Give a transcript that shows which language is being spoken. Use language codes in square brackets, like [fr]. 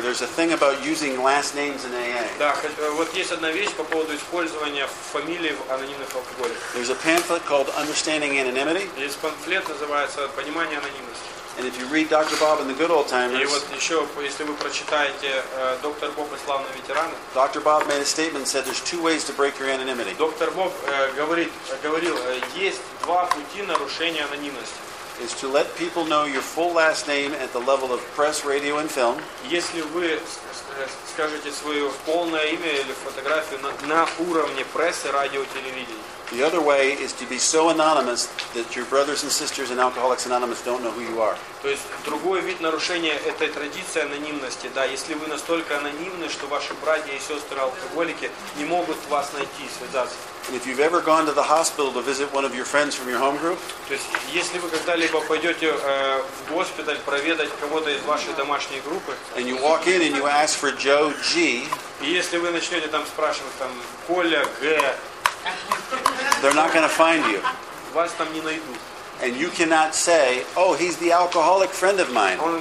[en] There's a thing about using last names in AA. [ru] Да, вот есть одна вещь по поводу использования фамилий в анонимных алкоголиках. [en] There's a pamphlet called Understanding Anonymity. [ru] Есть памфлет, называется «Понимание анонимности». [en] And if you read Dr. Bob and the Good Old Timers, [ru] и вот еще, если вы прочитаете Доктор Боб и Славные Ветераны, [en] Dr. Bob made a statement and said there's two ways to break your anonymity. [ru] Доктор Боб говорил, есть два пути нарушения анонимности. [en] Is to let people know your full last name at the level of press, radio, and film. [ru] Если вы скажете свое полное имя или фотографию на уровне прессы, радио, телевидения. [en] The other way is to be so anonymous that your brothers and sisters in Alcoholics Anonymous don't know who you are. [ru] То есть другой вид нарушения этой традиции анонимности, да, если вы настолько анонимны, что ваши братья и сестры алкоголики не могут вас найти, связаться. [en] And if you've ever gone to the hospital to visit one of your friends from your home group, [ru] то есть если вы когда-либо пойдете в госпиталь проведать кого-то из вашей домашней группы, [en] and you walk in and you ask for Joe G, [ru] и если вы начнете там спрашивать там Коля Г, [en] they're not going to find you. [ru] Вас там не найдут. [en] and you cannot say, oh, he's the alcoholic friend of mine.